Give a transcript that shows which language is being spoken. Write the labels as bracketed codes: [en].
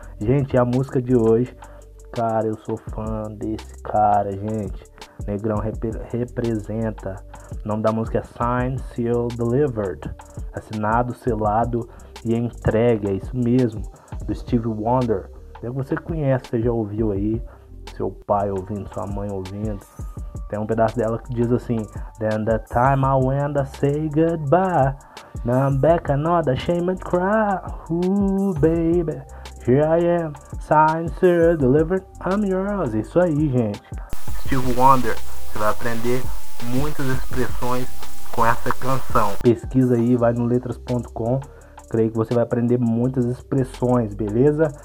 [pt] Gente, a música de hoje, cara, eu sou fã desse cara, gente, Negrão representa, o nome da música é Signed, Sealed, Delivered, assinado, selado e entregue, é isso mesmo, do Stevie Wonder, você conhece, você já ouviu aí, seu pai ouvindo, sua mãe ouvindo. Tem um pedaço dela que diz assim, [en] then the time I went, I say goodbye, now I'm back, I'm not ashamed to cry, ooh, baby, here I am, signed, sealed, delivered, I'm yours. [pt] Isso aí, gente. Steve Wonder, você vai aprender muitas expressões com essa canção. Pesquisa aí, vai no letras.com, creio que você vai aprender muitas expressões, beleza?